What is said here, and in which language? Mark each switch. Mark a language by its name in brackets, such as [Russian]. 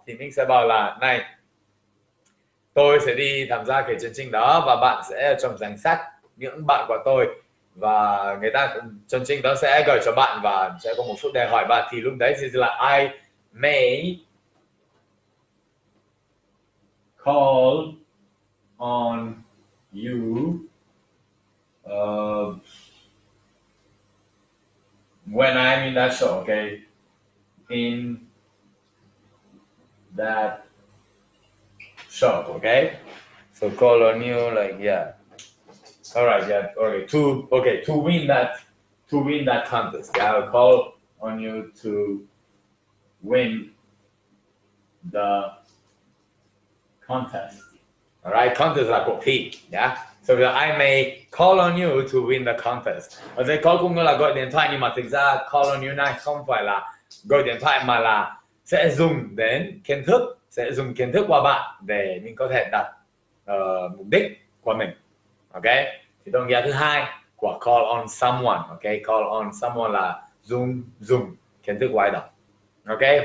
[Vietnamese] Thì mình sẽ bảo là này, tôi sẽ đi tham gia cái chương trình đó và bạn sẽ ở trong danh sách những bạn của tôi, và người ta chương trình đó sẽ gửi cho bạn và sẽ có một phút để hỏi bạn. Thì lúc đấy thì là [English] I may call on you when I'm in that show, okay? In that shop, okay? So call on you, like, yeah. All right, yeah, okay. To win that contest, yeah, I'll call on you to win the contest. All right, contest [Vietnamese] là cuộc thi, [English] yeah? So I may call on you to win the contest. [Vietnamese] Ở đây call cũng là gọi điện thoại, nhưng mà thực ra [English] call on you [Vietnamese] này không phải là gọi điện thoại mà là sẽ dùng đến kiến thức, sẽ dùng kiến thức qua bạn để mình có thể đặt mục đích của mình. Okay? Thì động nghĩa thứ hai của [English] call on someone, [Vietnamese] okay? [English] Call on someone [Vietnamese] là dùng kiến thức của ai đó. Okay?